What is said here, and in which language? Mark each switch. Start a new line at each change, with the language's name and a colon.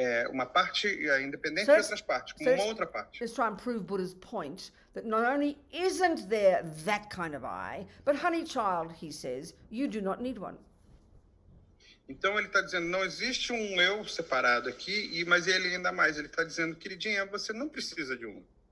Portuguese: Uma parte independente dessas partes, com uma outra parte.
English: Let's try and prove Buddha's point that not only isn't there that kind of eye, but honey child, he says, you do not need one.
Portuguese: Então ele está dizendo, não existe um eu separado aqui, mas ele ainda mais, ele está dizendo, queridinha, você não precisa de um.